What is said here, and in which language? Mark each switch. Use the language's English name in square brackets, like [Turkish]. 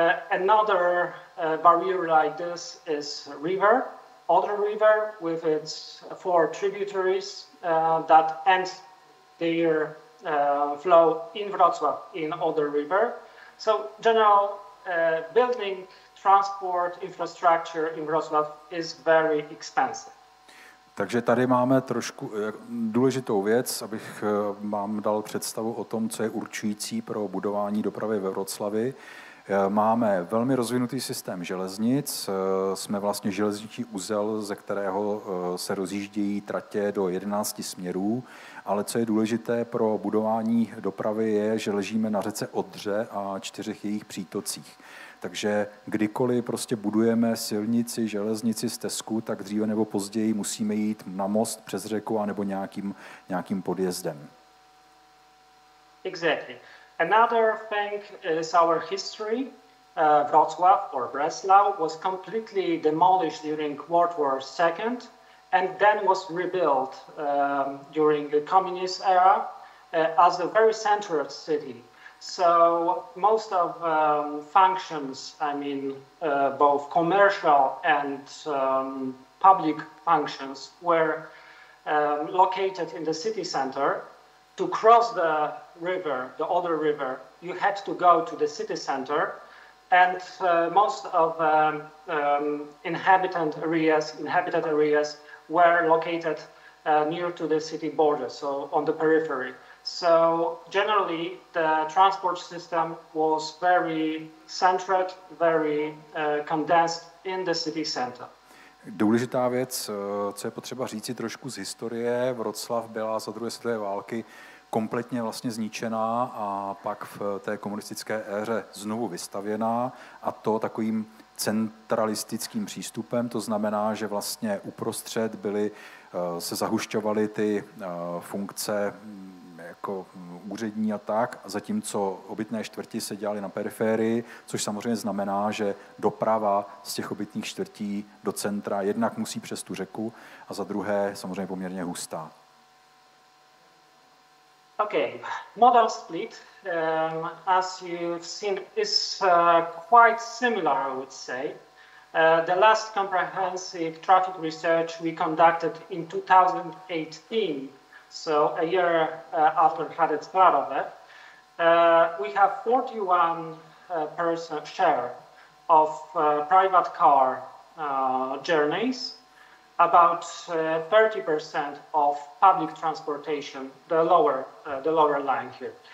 [English] Another barrier like this is river, Oder River, with its 4 tributaries that end their flow in Wrocław, in Oder River. So general, building transport infrastructure in Wrocław is very expensive. [Czech] Takže tady máme trošku důležitou věc, abych vám dal představu o tom, co je určující pro budování dopravy ve Wrocławi. Máme velmi rozvinutý systém železnic, jsme vlastně železniční uzel, ze kterého se rozjíždějí tratě do 11 směrů, ale co je důležité pro budování dopravy je, že ležíme na řece Odře a 4 jejich přítocích. Takže kdykoliv prostě budujeme silnici, železnici, stezku, tak dříve nebo později musíme jít na most přes řeku anebo nějakým podjezdem. [English] Exactly. Another thing is our history. Wrocław or Breslau was completely demolished during World War II and then was rebuilt during the communist era as a very central city. So most of functions, I mean, both commercial and public functions were located in the city center. To cross the river, the Oder River, you had to go to the city center, and most of inhabited areas were located near to the city border, so on the periphery. So generally, the transport system was very centered, very condensed in the city center. [Czech] Důležitá věc, co je potřeba říci trošku z historie, Wrocław byla za druhé světové války kompletně vlastně zničená a pak v té komunistické éře znovu vystavěná, a to takovým centralistickým přístupem, to znamená, že vlastně uprostřed byly, se zahušťovaly ty funkce jako úřední a tak, zatímco obytné čtvrti se dělaly na periférii, což samozřejmě znamená, že doprava z těch obytných čtvrtí do centra jednak musí přes tu řeku a za druhé samozřejmě poměrně hustá. [English] Okay, model split, as you've seen, is quite similar, I would say. The last comprehensive traffic research we conducted in 2018, so a year after Hradec Králové, we have 41 percent share of private car journeys, about 30% of public transportation, the lower line here.